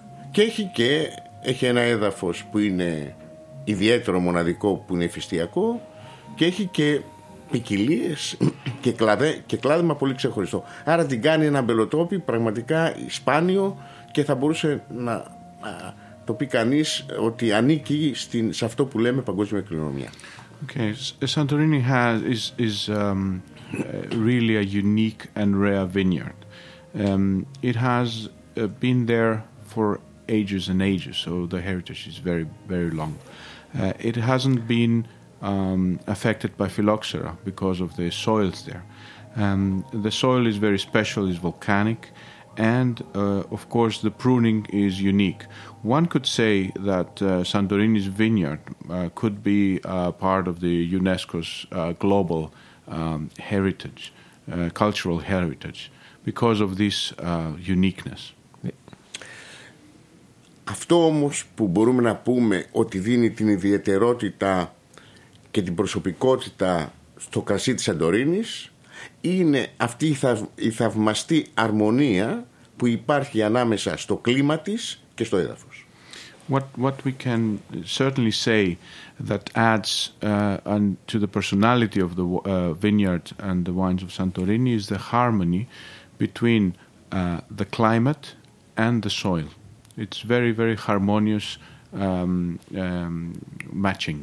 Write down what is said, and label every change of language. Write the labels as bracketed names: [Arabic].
[Greek] και έχει ένα έδαφος που είναι ιδιαίτερο μοναδικό, που είναι υφιστιακό, και έχει και ποικιλίες και κλάδεμα πολύ ξεχωριστό, άρα την κάνει ένα αμπελοτόπι πραγματικά σπάνιο και θα μπορούσε να το πει κανείς ότι ανήκει στην, σε αυτό που λέμε παγκόσμια κληρονομιά. [English] Okay, Santorini is really a unique and rare vineyard. It has been there for ages and ages, so the heritage is very, very long. It hasn't been affected by phylloxera because of the soils there. The soil is very special, is volcanic, and of course the pruning is unique. One could say that Santorini's vineyard could be part of the UNESCO's global heritage, cultural heritage, because of this uniqueness. [Greek] Αυτό όμως που μπορούμε να πούμε ότι δίνει την ιδιαιτερότητα και την προσωπικότητα στο κρασί της Σαντορίνης είναι αυτή η θαυμαστή αρμονία που υπάρχει ανάμεσα στο κλίμα της και στο έδαφος. [English] What we can certainly say that adds to the personality of the vineyard and the wines of Santorini is the harmony between the climate and the soil. It's very, very harmonious matching.